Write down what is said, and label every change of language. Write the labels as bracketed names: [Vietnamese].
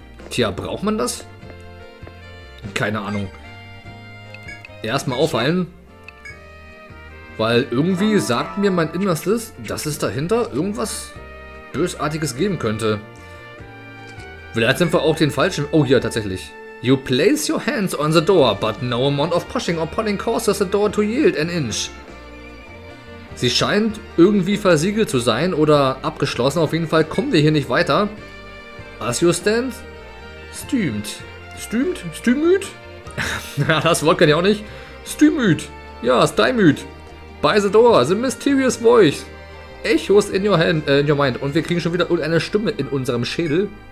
[German] Tja, braucht man das? Keine Ahnung. Erstmal aufheilen. Weil irgendwie sagt mir mein Innerstes, dass es dahinter irgendwas Bösartiges geben könnte. Vielleicht sind wir auch den falschen. Oh, hier tatsächlich. [English] You place your hands on the door, but no amount of pushing or pulling causes the door to yield an inch. [German] Sie scheint irgendwie versiegelt zu sein oder abgeschlossen. Auf jeden Fall kommen wir hier nicht weiter. [English] As you stand, [German] stümt. Stümt? Stümüt? Ja, das Wort kann ich auch nicht. Stümüt. Ja, stymüt. [English] By the door, the mysterious voice echoes in your hand, in your mind. [German] Und wir kriegen schon wieder irgendeine Stimme in unserem Schädel.